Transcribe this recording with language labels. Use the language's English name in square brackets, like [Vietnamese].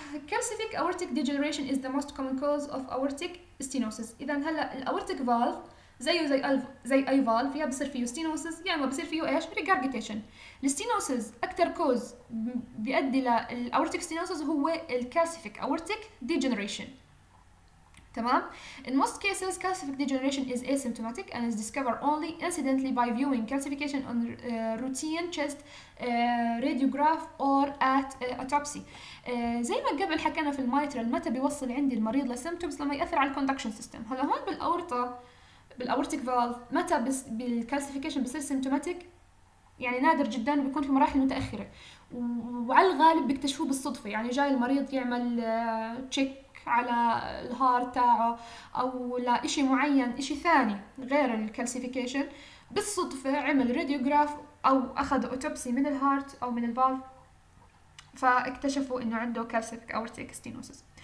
[English] Calcific aortic degeneration is the most common cause of aortic stenosis. [Arabic] اذا هلا الاورتيك فالف زيه زي اي فالف، يا بصير فيه ستينوسز يا ما بصير فيه ايش ريجارجيتيشن. الستينوسز اكثر كوز بيؤدي للاورتيك ستينوسز هو الكالسيفيك اورتيك ديجنريشن. تمام. [English] In most cases calcific degeneration is asymptomatic and is discovered only incidentally by viewing calcification on routine chest radiograph or at autopsy. [Arabic] زي ما قبل حكينا في المايترال متى بيوصل عندي المريض لسيمتومز، لما يأثر على الكوندكشن سيستم. هلا هون بالأورطة بالأورتيك فالف متى بالكالسيفيكيشن بصير سيمتوماتيك؟ يعني نادر جدا، بيكون في مراحل متأخرة وعلى الغالب بيكتشفوه بالصدفة. يعني جاي المريض يعمل تشيك على الهار تاعه او لا اشي معين اشي ثاني غير الكالسيفيكيشن، بالصدفة عمل راديوغراف او اخذ اوتوبسي من الهارت او من الفالف فاكتشفوا انه عنده كالسيفيك اورتيك ستينوسس.